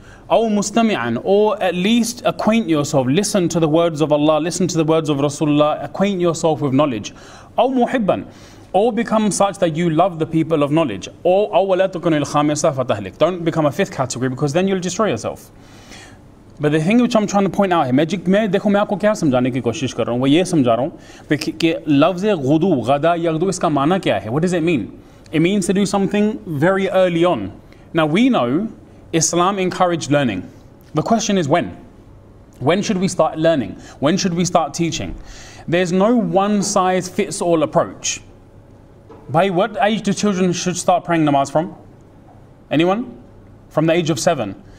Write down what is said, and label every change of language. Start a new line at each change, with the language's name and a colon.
Arabic: أو مستمعًا,
English: or at least acquaint yourself, listen to the words of Allah, listen to the words of Rasulullah, acquaint yourself with knowledge.
Arabic: أو محبًا,
English: or become such that you love the people of knowledge. Or
Arabic: أو لا تكن الخامسة فتهلك,
English: don't become a fifth category because then you'll destroy yourself. But the thing which I'm trying to point out here,
Urdu: magic میں دیکھو میں آپکو کیا سمجھانے کی کوشش کر رہا ہوں، وہ یہ سمجھا رہا ہوں کی لفظ غدو غدا یغدو اسکا معنی کیا ہے.
English: What does it mean? It means to do something very early on. Now we know Islam encouraged learning. The question is when? When should we start learning? When should we start teaching? There's no one size fits all approach. By what age do children should start praying namaz from? Anyone? From the age of 7.